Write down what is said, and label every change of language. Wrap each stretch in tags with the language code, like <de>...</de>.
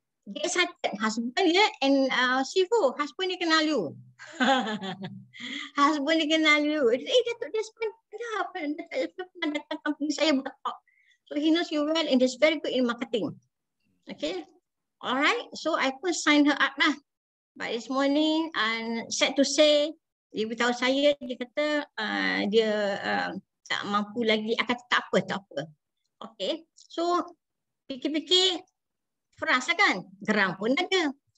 <en>Get excited,</en> <ms>husband ya, and Sifu, husband dia kenal you. Husband dia kenal you. Eh, Datuk Desmond, kenapa? Datuk Desmond datang kampung saya buat talk.</ms> <en>So he knows you well and he's very good in marketing. Okay, alright. So I pun sign her up lah. But this morning, and sad to say,</en> <ms>ibu tahu saya, dia kata dia tak mampu lagi. Aku kata tak apa, tak apa. Okay, so fikir-fikir, frust lah kan? Geram pun ada.</ms>